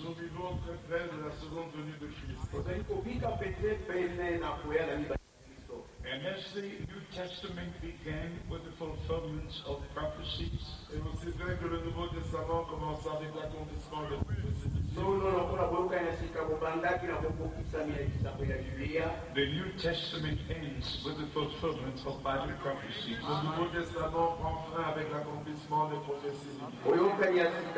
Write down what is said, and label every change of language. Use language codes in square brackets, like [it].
[fr] Nous vivons très près de la seconde venue de Christ. [en] And as the New Testament began with the fulfillment of prophecies, [fr] et aussi bien que le Nouveau Testament commence avec l'accomplissement de [en] the New Testament ends with the fulfillment of Bible prophecies. [fr] Le Nouveau Testament prend fin avec l'accomplissement des prophéties.